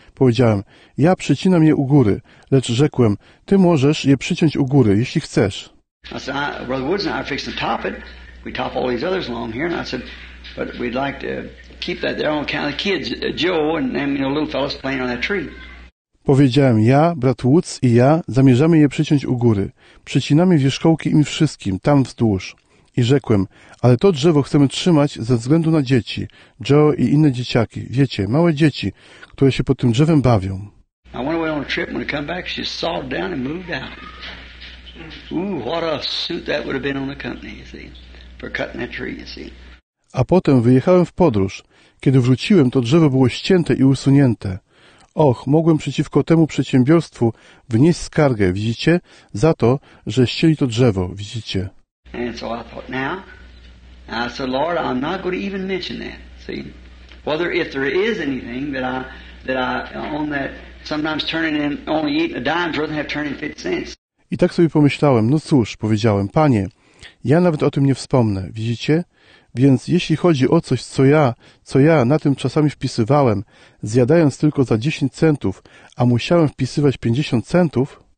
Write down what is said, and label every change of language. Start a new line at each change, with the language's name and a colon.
Polish: Powiedziałem, ja przycinam je u góry, lecz rzekłem, ty możesz je przyciąć u góry, jeśli chcesz.
English: I said, Brother Woods and I fixed to top it. We top all these others along here. And I said, but we'd like to keep that there on account of the kids, Joe and them, you know, little fellas playing on that tree.
Polish: Powiedziałem, ja, brat Woods i ja zamierzamy je przyciąć u góry. Przycinamy wierzchołki im wszystkim, tam wzdłuż. I rzekłem, ale to drzewo chcemy trzymać ze względu na dzieci, Joe i inne dzieciaki, wiecie, małe dzieci, które się pod tym drzewem bawią.
English: a trip. When I come back, she sawed down and moved out. Ooh, what a suit that would have been on the company, you see, for cutting that tree, you see.
Polish: A potem wyjechałem w podróż. Kiedy wróciłem, to drzewo było ścięte i usunięte. Och, mogłem przeciwko temu przedsiębiorstwu wnieść skargę, widzicie, za to, że ścięli to drzewo, widzicie.
English: And so I thought, now, I said, Lord, I'm not going to even mention that, see. Whether if there is anything that I own that sometimes turning in only eating a dime's worth and have turning 50 cents.
Polish: I tak sobie pomyślałem, no cóż, powiedziałem, panie, ja nawet o tym nie wspomnę, widzicie? Więc jeśli chodzi o coś, co ja na tym czasami wpisywałem, zjadając tylko za 10 centów, a musiałem wpisywać 50 centów,